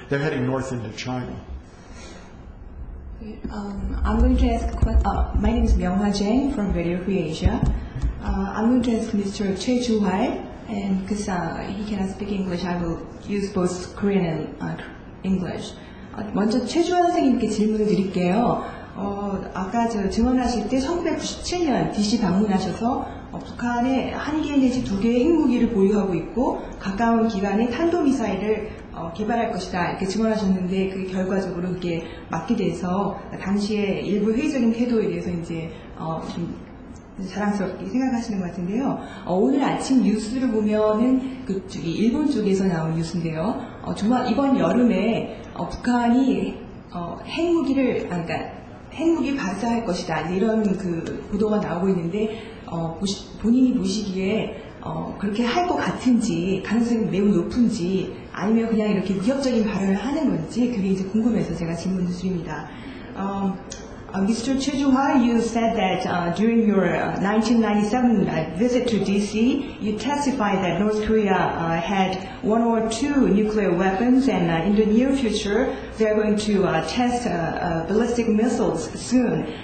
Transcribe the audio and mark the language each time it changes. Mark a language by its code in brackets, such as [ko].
[en] They're heading north into China. I'm going to ask, my name is Myeongha Jang from Radio Free Asia. I'm going to ask Mr. Choi Joo-hai, and because he cannot speak English, I will use both Korean and English. [ko] 먼저 최 조환 선생님께 질문을 드릴게요. 아까 저 증언하실 때 1997년 DC 방문하셔서 북한에 한 개 내지 두 개의 핵무기를 보유하고 있고 가까운 기간에 탄도미사일을 개발할 것이다 이렇게 증언하셨는데 그 결과적으로 그게 맞게 돼서 당시에 일부 회의적인 태도에 대해서 이제 좀 자랑스럽게 생각하시는 것 같은데요. 오늘 아침 뉴스를 보면은 그쪽이 일본 쪽에서 나온 뉴스인데요. 정말 이번 여름에 북한이 핵무기를 그러니까 핵무기 발사할 것이다 이런 그 보도가 나오고 있는데 본인이 보시기에 그렇게 할 것 같은지 가능성이 매우 높은지 아니면 그냥 이렇게 위협적인 발언을 하는 건지 그게 이제 궁금해서 제가 질문을 드립니다. [en] Mr. Choi Joo-hai, you said that during your 1997 visit to DC, you testified that North Korea had one or two nuclear weapons, and in the near future, they are going to test ballistic missiles soon.